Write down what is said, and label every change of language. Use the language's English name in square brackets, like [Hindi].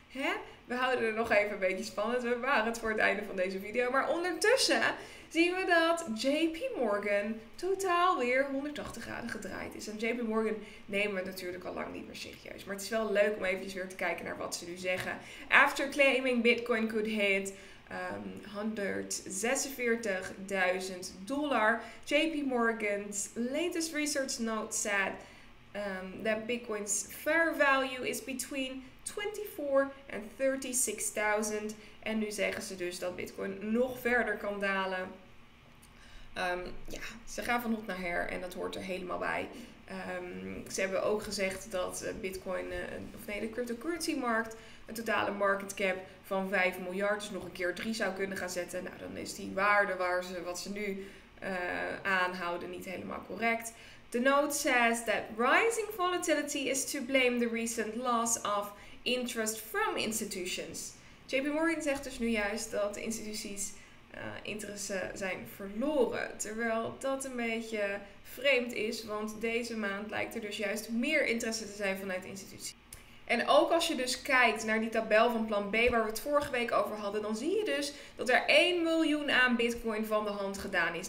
[Dutch] hè, we houden er nog even een beetje spannend. We waren het voor het einde van deze video. Maar ondertussen zien we dat JP Morgan totaal weer 180 graden gedraaid is. En JP Morgan nemen we natuurlijk al lang niet meer serieus. Maar het is wel leuk om eventjes weer te kijken naar wat ze nu zeggen. [English] After claiming Bitcoin could hit $146,000, JP Morgan's latest research note said that Bitcoin's fair value is between 24 and 36,000. [Dutch] En nu zeggen ze dus dat Bitcoin nog verder kan dalen. Ja, ze gaan van hot naar her en dat hoort er helemaal bij. Ze hebben ook gezegd dat Bitcoin, de cryptocurrency markt, een totale market cap van 5 miljard, dus nog een keer 3 zou kunnen gaan zetten. Nou, dan is die waarde waar ze, wat ze nu aanhouden, niet helemaal correct. [English] The note says that rising volatility is to blame the recent loss of interest from institutions. [Dutch] JP Morgan zegt dus nu juist dat de instituties interesse zijn verloren. Terwijl dat een beetje vreemd is, want deze maand lijkt er dus juist meer interesse te zijn vanuit instituties. En ook als je dus kijkt naar die tabel van plan B waar we het vorige week over hadden, dan zie je dus dat er 1 miljoen aan Bitcoin van de hand gedaan is.